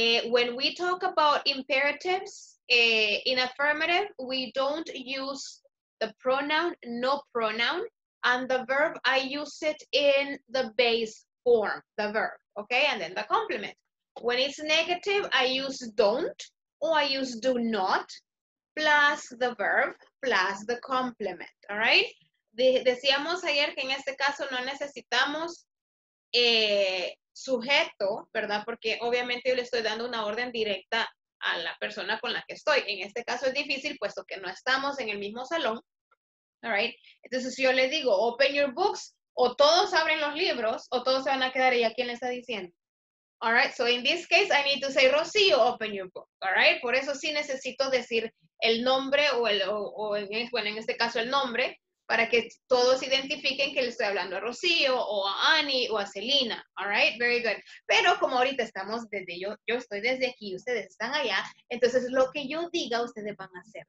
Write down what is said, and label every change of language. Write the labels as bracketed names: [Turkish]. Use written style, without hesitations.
[English] When we talk about imperatives in affirmative, we don't use the pronoun, no pronoun, and the verb, I use it in the base form, the verb, okay? And then the complement. When it's negative, I use don't, or I use do not, plus the verb, plus the complement, all right? [Spanish] Decíamos ayer que en este caso no necesitamos sujeto, ¿verdad? Porque obviamente yo le estoy dando una orden directa a la persona con la que estoy. En este caso es difícil, puesto que no estamos en el mismo salón. All right. Entonces, si yo le digo, [English] open your books, [Spanish] o todos abren los libros, o todos se van a quedar, ¿y a quién le está diciendo? All right. [English] So, in this case, I need to say, Rocío, open your book. All right. [Spanish] Por eso sí necesito decir el nombre, bueno, en este caso el nombre, para que todos identifiquen que le estoy hablando a Rocío, o a Annie, o a Celina. [English] All right. Very good. [Spanish] Pero como ahorita estamos desde, yo estoy desde aquí, ustedes están allá, entonces lo que yo diga, ustedes van a hacer.